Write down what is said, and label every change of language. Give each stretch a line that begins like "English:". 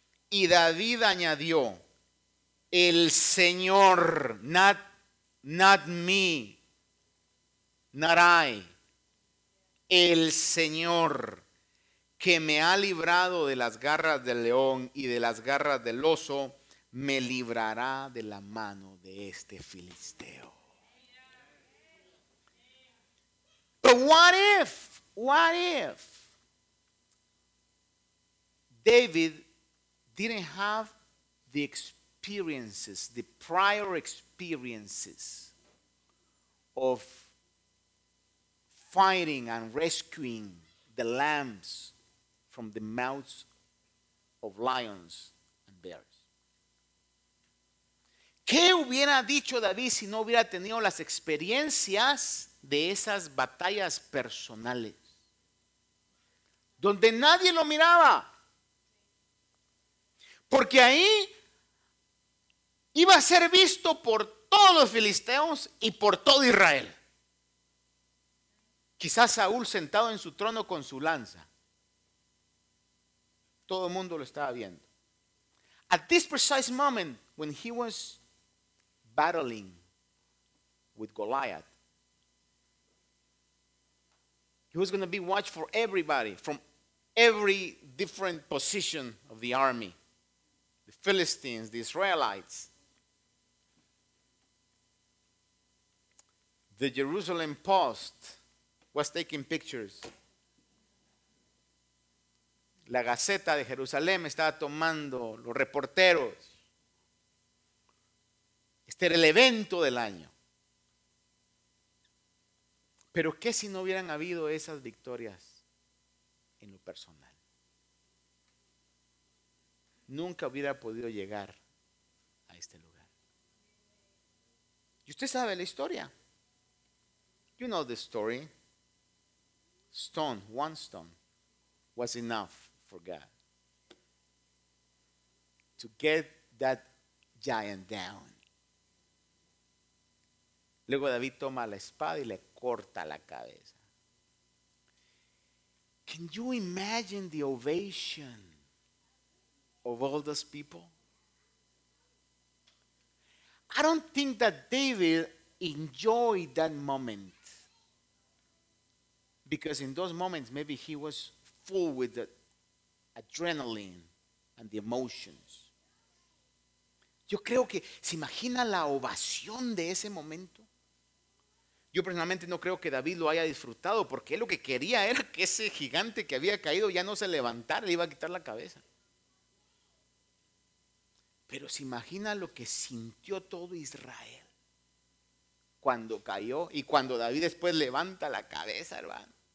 Spanish: Y David añadió: el Señor,
English: not me, not I,
Spanish: el Señor que me ha librado de las garras del león y de las garras del oso, me librará de la mano de este filisteo.
English: But what if David didn't have the experiences, the prior experiences of fighting and rescuing the lambs from the mouths of lions and bears?
Spanish: ¿Qué hubiera dicho David si no hubiera tenido las experiencias de esas batallas personales, donde nadie lo miraba? Porque ahí iba a ser visto por todos los filisteos y por todo Israel. Quizás Saúl sentado en su trono con su lanza, todo el mundo lo estaba viendo.
English: At this precise moment, when he was battling with Goliath, he was going to be watched for everybody from every different position of the army, the Philistines, the Israelites, the Jerusalem Post was taking pictures,
Spanish: la Gaceta de Jerusalén estaba tomando, los reporteros. Este era el evento del año. Pero ¿qué si no hubieran habido esas victorias en lo personal? Nunca hubiera podido llegar a este lugar. Y usted sabe la historia.
English: You know the story. Stone, one stone was enough for God to get that giant down.
Spanish: Luego David toma la espada y le corta la cabeza.
English: Can you imagine the ovation of all those people? I don't think that David enjoyed that moment, because in those moments maybe he was full with the adrenaline and the emotions.
Spanish: Yo creo que se imagina la ovación de ese momento. Yo personalmente no creo que David lo haya disfrutado, porque él lo que quería era que ese gigante que había caído ya no se levantara, le iba a quitar la cabeza. Pero se imagina lo que sintió todo Israel cuando cayó, y cuando David después levanta la cabeza, hermano.